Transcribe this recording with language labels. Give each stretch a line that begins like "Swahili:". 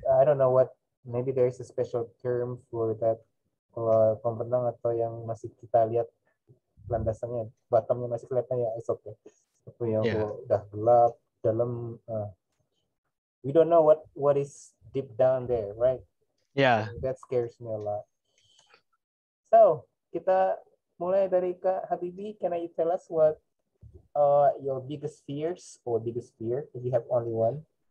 English: I don't know what, maybe there is a special term for that,
Indonesian: kalau kolam renang atau yang masih kita lihat landasannya, bottomnya masih kelihatan ya,
English: it's okay.
Indonesian: Tapi yang udah gelap, dalam,
English: we don't know what is deep down there, right? Yeah. That scares me a lot.
Indonesian: So, kita mulai dari Kak Habibi.
English: Can you tell us what your biggest fears or biggest fear, if you have only one?